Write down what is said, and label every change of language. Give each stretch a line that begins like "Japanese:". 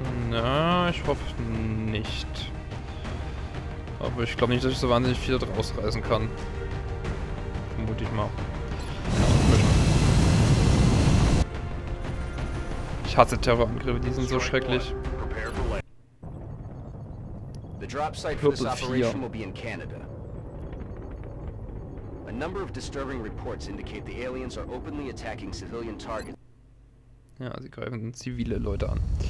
German: Na, ich hoffe nicht. Aber ich glaube nicht, dass ich so wahnsinnig viel draus reißen kann. Vermute ich mal. Ich hasse Terrorangriffe, die sind so schrecklich.
English: The drop site for this operation will be in Canada. A number of disturbing reports indicate the aliens are openly attacking civilian targets.
German: Ja, sie greifen zivile Leute an.